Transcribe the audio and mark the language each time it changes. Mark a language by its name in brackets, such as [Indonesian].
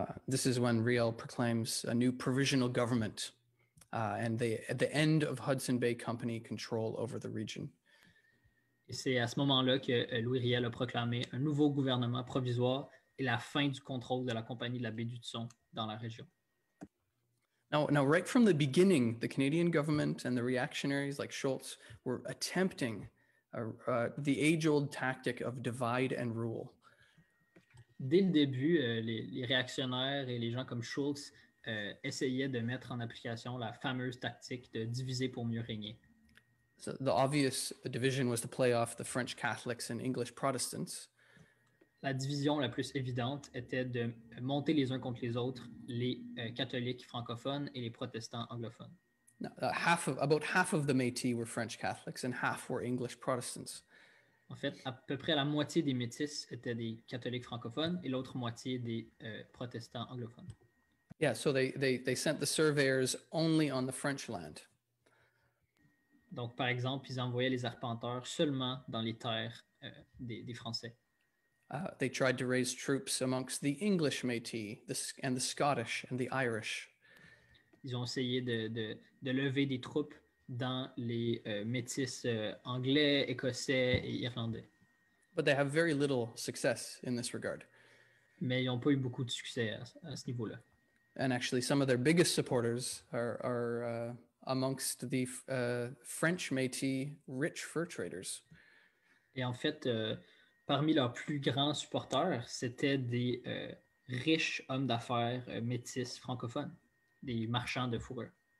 [English] This is when Riel proclaims a new provisional government and at the end of Hudson Bay Company control over the region. [French] Et c'est à ce moment-là que Louis Riel a proclamé un nouveau gouvernement provisoire et la fin du contrôle de la compagnie de la Baie-du-Tson dans la région. [English] Now, right from the beginning, the Canadian government and the reactionaries like Schultz were attempting the age-old tactic of divide and rule. [French] Dès le début, les réactionnaires et les gens comme Schultz essayaient de mettre en application la fameuse tactique de diviser pour mieux régner. [English] So the obvious division was to play off the French Catholics and English Protestants. [French] La division la plus évidente était de monter les uns contre les autres les catholiques francophones et les protestants anglophones. [English] About half of the Métis were French Catholics and half were English Protestants. [French] En fait, à peu près la moitié des Métis étaient des catholiques francophones et l'autre moitié des protestants anglophones. [English] Yeah, so they sent the surveyors only on the French land. [French] Donc, par exemple, ils envoyaient les arpenteurs seulement dans les terres des Français. [English] They tried to raise troops amongst the English Métis and the Scottish and the Irish. [French] Ils ont essayé de lever des troupes dans les Métis anglais, écossais et irlandais. [English] But they have very little success in this regard. [French] Mais ils n'ont pas eu beaucoup de succès à ce niveau-là. [English] And actually, some of their biggest supporters are amongst the French Métis rich fur traders. [French] Et en fait, parmi leurs plus grands supporters, c'était des riches hommes d'affaires métis francophones, des marchands de fourrure.